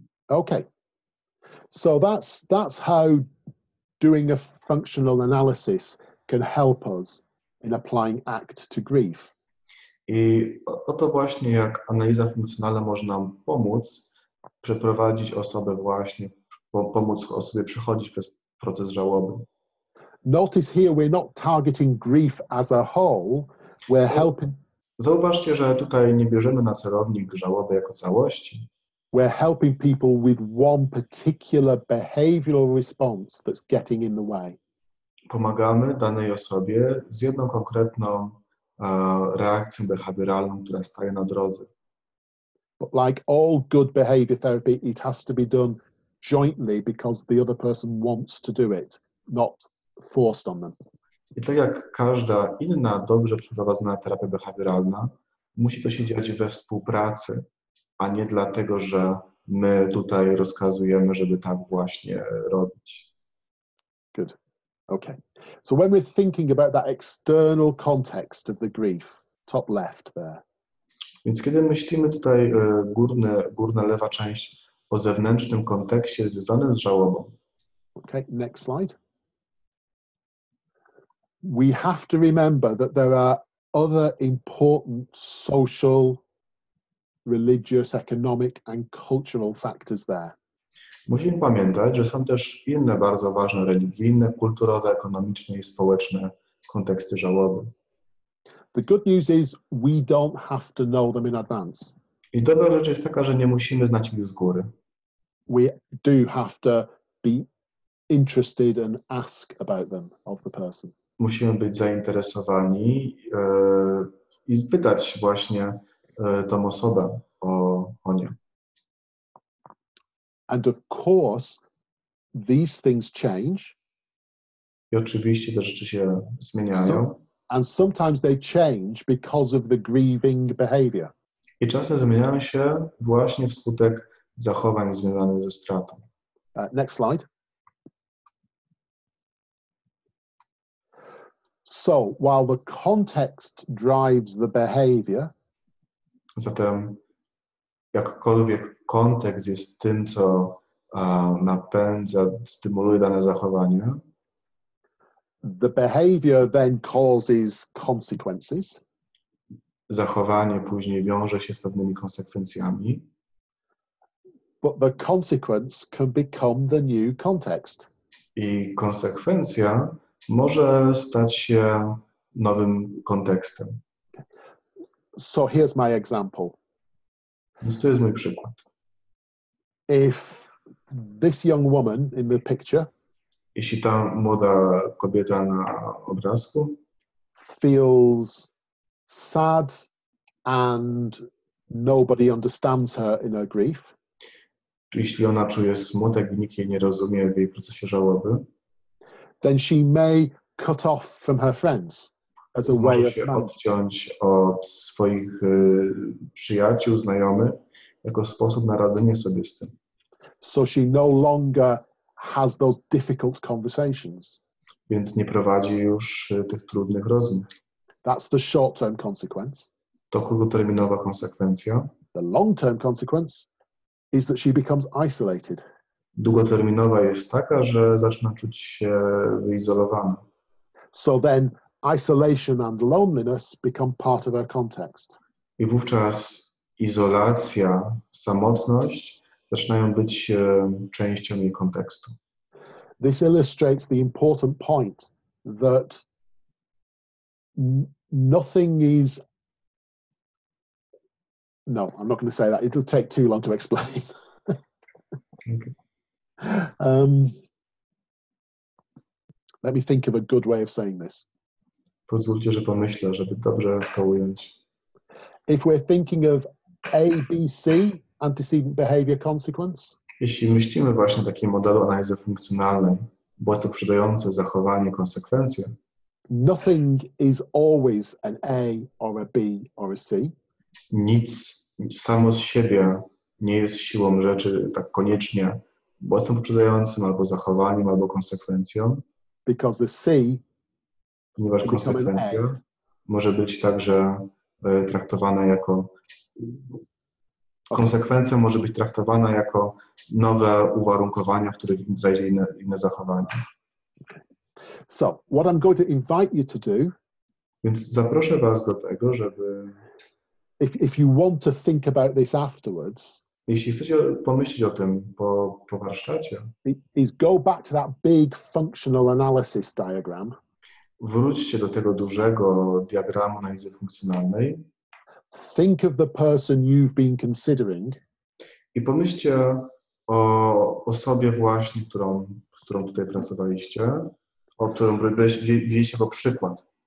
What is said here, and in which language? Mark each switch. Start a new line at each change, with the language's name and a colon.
English: Okay. So that's how doing a functional analysis can help us in applying ACT to grief.
Polish: I oto właśnie jak analiza funkcjonalna może nam pomóc przeprowadzić osobę właśnie, pomóc osobie przechodzić przez proces żałoby.
English: Notice here we're not targeting grief as a whole, we're helping.
Polish: Zauważcie, że tutaj nie bierzemy na celownik żałoby jako całości.
English: We're helping people with one particular behavioral response that's getting in the way.
Polish: Pomagamy danej osobie z jedną konkretną reakcją behawioralną, która staje na drodze.
English: But like all good behavior therapy, it has to be done jointly because the other person wants to do it, not forced on them.
Polish: I tak jak każda inna dobrze przeprowadzona terapia behawioralna, musi to się dziać we współpracy, a nie dlatego, że my tutaj rozkazujemy, żeby tak właśnie robić.
English: Good. Okay. So when we're thinking about that external context of the grief, top left there.
Polish: Więc kiedy myślimy tutaj górna lewa część o zewnętrznym kontekście związanym z żałobą.
English: Okay, next slide. We have to remember that there are other important social, religious, economic and cultural factors there.
Polish: Musimy pamiętać, że są też inne bardzo ważne religijne, kulturowe, ekonomiczne i społeczne konteksty żałoby.
English: The good news is we don't have to know them in advance.
Polish: I dobra rzecz jest taka, że nie musimy znać ich z góry.
English: We do have to be interested and ask about them of the person.
Polish: Musimy być zainteresowani i spytać właśnie tą osobę o nie.
English: And of course, these things change.
Polish: I oczywiście te rzeczy się zmieniają.
English: And sometimes they change because of the grieving behavior.
Polish: I czasem zmieniają się właśnie wskutek zachowań związanych ze stratą.
English: Next slide. So, while the context drives the behavior.
Polish: Zatem, jakkolwiek kontekst jest tym, co napędza, stymuluje dane zachowanie.
English: The behavior then causes consequences.
Polish: Zachowanie później wiąże się z pewnymi konsekwencjami.
English: But the consequence can become the new context.
Polish: I konsekwencja może stać się nowym kontekstem.
English: So here's my example.
Polish: Więc to jest mój przykład.
English: If this young woman in the picture,
Polish: jeśli ta młoda kobieta na obrazku,
English: feels sad and nobody understands her in her grief,
Polish: jeśli ona czuje smutek i nikt jej nie rozumie w jej procesie żałoby,
English: then she may cut off from her friends as a way of manage.
Polish: Odciąć od swoich przyjaciół, znajomych, jako sposób na radzenie sobie z tym.
English: So she no longer has those difficult conversations.
Polish: Więc nie prowadzi już tych trudnych rozmów.
English: That's the short-term consequence.
Polish: To krótkoterminowa konsekwencja.
English: The long-term consequence is that she becomes isolated.
Polish: Długoterminowa jest taka, że zaczyna czuć się wyizolowana.
English: So then isolation and loneliness become part of her context.
Polish: I wówczas izolacja, samotność zaczynają być częścią jej kontekstu.
English: This illustrates the important point that nothing is... No, I'm not going to say that. It'll take too long to explain. Okay. Let me think of a good way of saying this.
Polish: Pozwólcie, że pomyślę, żeby dobrze to ująć.
English: if we're thinking of ABC, antecedent behavior consequence.
Polish: Jeśli myślimy właśnie o takim modelu analizy funkcjonalnej, błędy poprzedzające zachowanie, konsekwencje.
English: Nothing is always an A or a B or a C.
Polish: Nic samo z siebie nie jest siłą rzeczy tak koniecznie błędem poprzedzającym albo zachowaniem albo konsekwencją.
English: Because the C,
Polish: ponieważ konsekwencja może być także traktowana jako konsekwencja może być traktowana jako nowe uwarunkowania, w których zajdzie inne zachowanie.
English: So, what I'm going to invite you to do.
Polish: Więc zaproszę was do tego, żeby.
English: If you want to think about this afterwards.
Polish: Jeśli chcecie pomyśleć o tym po warsztacie.
English: Is go back to that big functional analysis diagram.
Polish: Wróćcie do tego dużego diagramu analizy funkcjonalnej.
English: Think of the person you've been considering.
Polish: I pomyślcie o osobie właśnie, z którą tutaj pracowaliście. O którym wzięliście jako przykład.